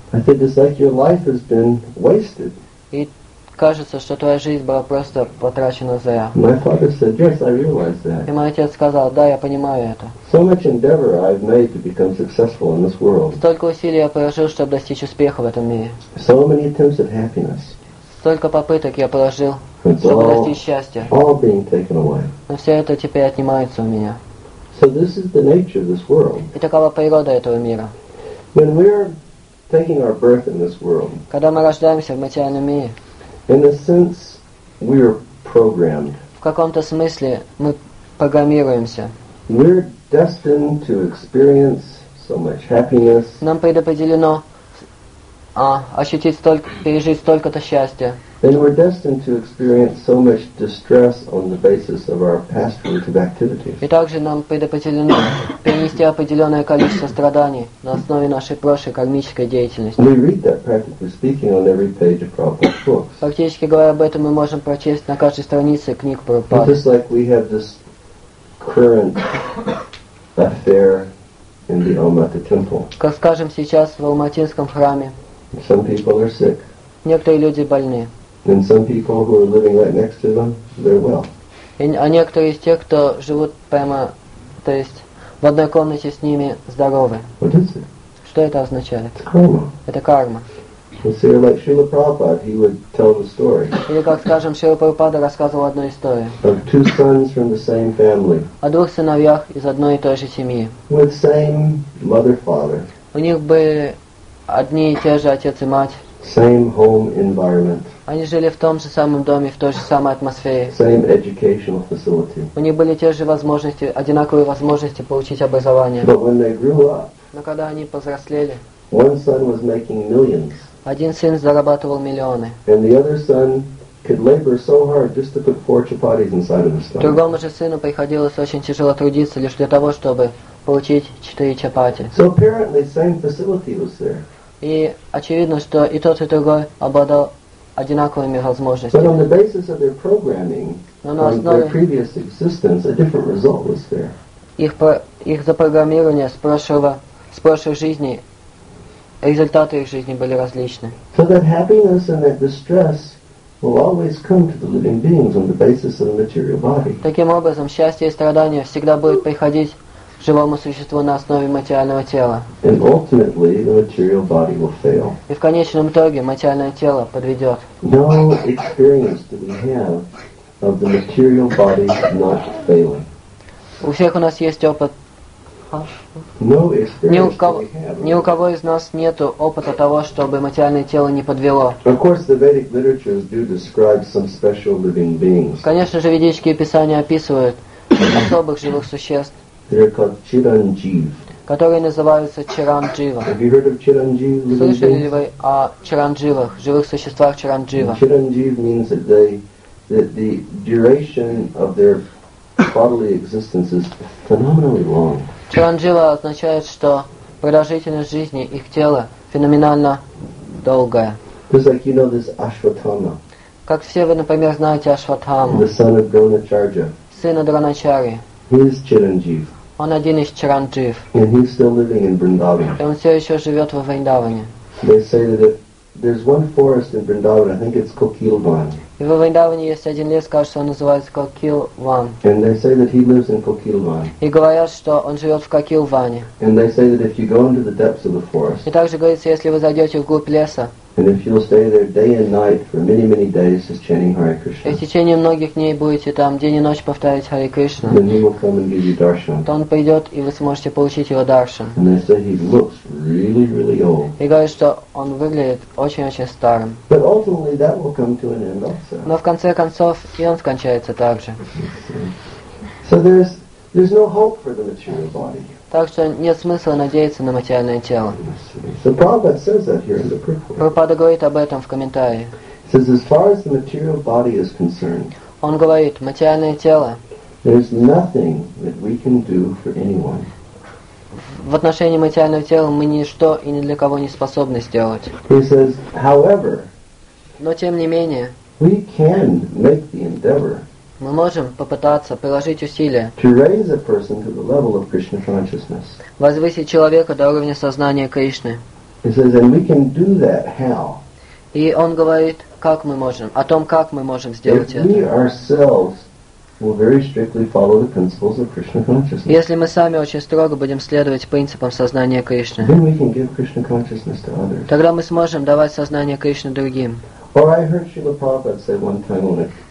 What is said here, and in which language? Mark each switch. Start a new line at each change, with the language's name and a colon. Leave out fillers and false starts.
English: I said, it's like your life has been wasted.
Russian: Кажется, что твоя жизнь была просто потрачена зря.
English: My father said, yes, I realize that.
Russian: И мой отец сказал, да, я понимаю это.
English: So much endeavor I've made to become successful in this world.
Russian: Столько усилий я положил, чтобы достичь успеха в этом мире.
English: So many attempts at happiness.
Russian: Столько попыток я положил, чтобы достичь счастья.
English: All being taken away.
Russian: Но все это теперь отнимается у меня.
English: So this is the nature of this world.
Russian: И такова природа этого мира.
English: When we're taking our birth in this world.
Russian: Когда мы рождаемся в материальном мире.
English: In a sense, we are programmed.
Russian: В каком-то смысле мы программируемся.
English: We're destined to experience so much happiness.
Russian: Нам предопределено ощутить столько, пережить столько-то счастья.
English: And we're destined to experience so much distress on the basis of our past relative activities.
Russian: И также нам предопределено перенести определенное количество страданий на основе нашей прошлой кармической деятельности.
English: We read that, practically speaking, on every page of Prabhupada's books.
Russian: Фактически говоря об этом, мы можем прочесть на каждой странице книг Прабхупады.
English: Just like we have this current affair in the Almaty temple.
Russian: Как скажем сейчас в Алматинском храме.
English: Some people are sick.
Russian: Некоторые люди больны.
English: And some people who are living right next to them, they're well.
Russian: А некоторые из тех, кто живут прямо, то есть в одной комнате с ними, здоровы.
English: What is it?
Russian: Что это означает?
English: It's karma.
Russian: Это карма.
English: Well, see, like Srila Prabhupada, he would tell the story.
Russian: Или как скажем, Шрила Прабхупада рассказывал одну историю.
English: Of two sons from the same family.
Russian: О двух сыновьях из одной и той же семьи.
English: With same mother, father.
Russian: У них были одни и те же отец и мать.
English: Same home environment.
Russian: Они жили в том же самом доме, в той же самой атмосфере.
English: Same educational facility.
Russian: У них были те же возможности, одинаковые возможности получить образование.
English: But when they grew up,
Russian: но когда они повзрослели,
English: one son was making millions.
Russian: Один сын зарабатывал миллионы.
English: And the other son could labor so hard just to put 4 chapatis inside of his stomach.
Russian: Другому же сыну приходилось очень тяжело трудиться лишь для того, чтобы получить 4 чапати.
English: So apparently, same facility was there.
Russian: И очевидно, что и тот, и другой обладал одинаковыми возможностями.
English: But on the basis of their programming, their previous existence, a different result was there.
Russian: Их запрограммирование с прошлой жизни, результаты их жизни были различны.
English: So that happiness and that distress will always come to the living beings on the basis of the material body.
Russian: Таким образом, счастье и страдания всегда будут приходить живому существу на основе материального тела.
English: And ultimately, the material body will fail.
Russian: И в конечном итоге материальное тело подведет.
English: No experience do we have of the material body not failing.
Russian: У всех у нас есть опыт.
English: No experience do we have.
Russian: Ни у кого из нас нету опыта того, чтобы материальное тело не подвело.
English: Of course, the Vedic literatures do describe some special living beings.
Russian: Конечно же, ведические писания описывают особых живых существ.
English: They're called Chiranjeev.
Russian: Которые называются Чиранджива.
English: Have you heard of Chiranjeev?
Russian: Слышали ли вы о Чирандживах, живых существах Чиранджива?
English: Chiranjeev means that the duration of their bodily existence is phenomenally long.
Russian: Чиранджива означает, что продолжительность жизни их тела феноменально долгая.
English: Just like you know this Ashwatthama.
Russian: Как все вы, например, знаете Ашватхаму.
English: The son of Дроначарджа.
Russian: Сына Дроначарьи.
English: He is
Russian: Чиранджив.
English: And he's still living in Vrindavan.
Russian: И он все еще живет во Вриндаване.
English: They say that there's one forest in Vrindavan, I think it's Kokilvan.
Russian: И во Вриндаване есть один лес, кажется, он называется Kokilvan.
English: And they say that he lives in Kokilvan.
Russian: И говорят, что он живет в Кокилване.
English: And they say that if you go into the depths of the forest.
Russian: И также говорится, если вы зайдете вглубь леса.
English: And if you'll stay there day and night for many, many days, just chanting Hare Krishna.
Russian: И в течение многих дней будете там день и ночь повторять Hare Krishna.
English: Then he will come and give you darshan.
Russian: То он пойдет и вы сможете получить его даршан.
English: And they say he looks really, really old.
Russian: И говорят, что он выглядит очень-очень старым.
English: But ultimately, that will come to an end also.
Russian: Но в конце концов и он скончается также.
English: So there's no hope for the material body.
Russian: Так что нет смысла надеяться на материальное тело. Прабхупада говорит об этом в комментарии.
English: Says, as far as the material body is concerned,
Russian: он говорит, материальное тело
English: there's nothing that we can do for anyone.
Russian: В отношении материального тела мы ничто и ни для кого не способны сделать.
English: He says, however,
Russian: но тем не менее
English: we can make the endeavor.
Russian: Мы можем попытаться приложить усилия
English: to raise a person to the level of Krishna consciousness.
Russian: Возвысить человека до уровня сознания Кришны.
English: He says, and we can do that how?
Russian: И он говорит, как мы можем, о том, как мы можем сделать это.
English: If we ourselves will very strictly follow the principles of Krishna consciousness.
Russian: Если мы сами очень строго будем следовать принципам сознания Кришны.
English: Then we can give Krishna consciousness to others.
Russian: Тогда мы сможем давать сознание Кришны другим.
English: Or I heard Srila Prabhupada say one time on it.